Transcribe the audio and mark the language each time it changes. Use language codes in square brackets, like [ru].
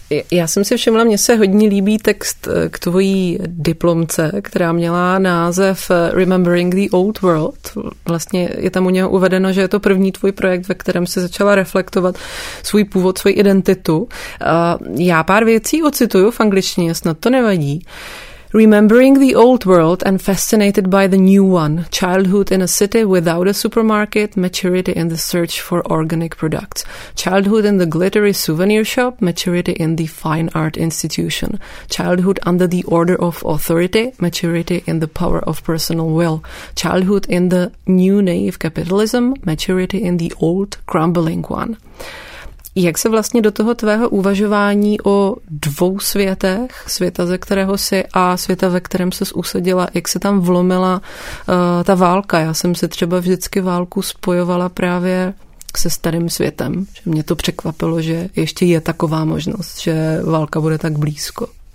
[cs] Já jsem si všimla, mně se hodně líbí text k tvojí diplomce, která měla název Remembering the Old World. Vlastně je tam u něho uvedeno, že je to první tvůj projekt, ve kterém se začala reflektovat svůj původ, svou identitu. Já pár věcí ocituju v angličtině, snad to nevadí. [en] Remembering the old world and fascinated by the new one. Childhood in a city without a supermarket, maturity in the search for organic products. Childhood in the glittery souvenir shop, maturity in the fine art institution. Childhood under the order of authority, maturity in the power of personal will. Childhood in the new naive capitalism, maturity in the old crumbling one. [cs] Jak se vlastně do toho tvého uvažování o dvou světech, světa, ze kterého jsi a světa, ve kterém ses usadila, jak se tam vlomila ta válka? Já jsem se třeba vždycky válku spojovala právě se starým světem. Že mě to překvapilo, že ještě je taková možnost, že válka bude tak blízko.